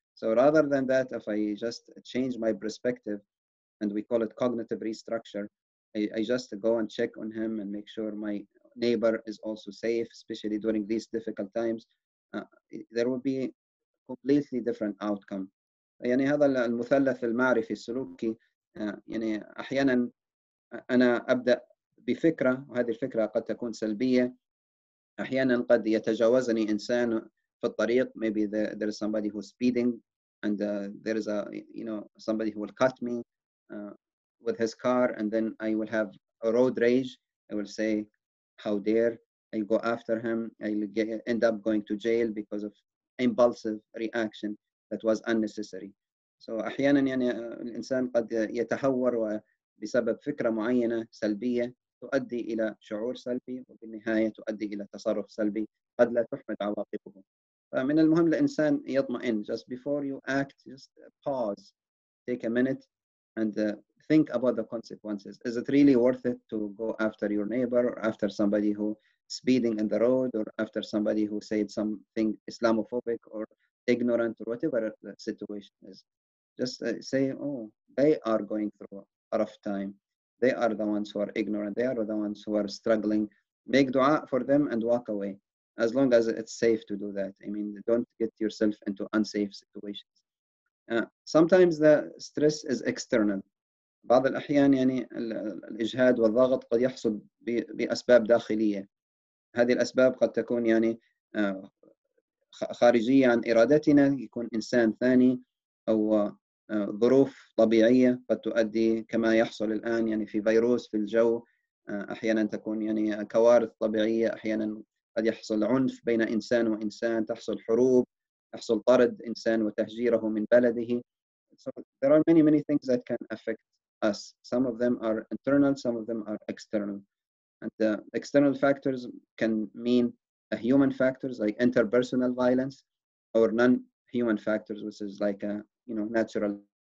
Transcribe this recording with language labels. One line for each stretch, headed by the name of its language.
English: So rather than that, if I just change my perspective, and we call it cognitive restructure, I just go and check on him and make sure my neighbor is also safe, especially during these difficult times, there will be a completely different outcome.
Arabic: يعني هذا المثلث المعرفي السلوكي. يعني أحيانا أنا أبدأ بفكرة وهذه الفكرة قد تكون سلبية. أحيانا قد يتجاوزني إنسان في الطريق.
English: Maybe there is somebody who's speeding, and there is a, you know, somebody who will cut me with his car, and then I will have a road rage. I will say, "How dare I go after him? I'll end up going to jail because of impulsive reaction that was unnecessary." So
Arabic: أحيانا يعني الإنسان قد يتهور بسبب فكرة معينة سلبية تؤدي إلى شعور سلبي وبالنهاية تؤدي إلى تصرف سلبي قد لا تحمد عواقبه. فمن المهم الإنسان يطمئن.
English: Just before you act, just pause, take a minute and think about the consequences. Is it really worth it to go after your neighbor or after somebody who speeding in the road or after somebody who said something Islamophobic or ignorant or whatever the situation is? Just say, "Oh, they are going through a rough time. They are the ones who are ignorant. They are the ones who are struggling." Make dua for them and walk away, as long as it's safe to do that. I mean, don't get yourself into unsafe situations. Sometimes the stress is external.
Arabic: بعض الأحيان يعني الإجهاد والضغط قد يحصل بأسباب داخلية. هذه الأسباب قد تكون يعني خارجية عن إرادتنا. يكون إنسان ثاني أو ظروف طبيعية قد تؤدي كما يحصل الآن يعني في فيروس في الجو. أحيانا تكون يعني كوارث طبيعية. أحيانا قد يحصل عنف بين إنسان وإنسان. تحصل حروب. يحصل طرد إنسان وتهجيره من بلده.
English: So there are many, many things that can affect us. Some of them are internal, some of them are external. And the external factors can mean a human factors like interpersonal violence, or non-human factors, which is like a, you know, natural.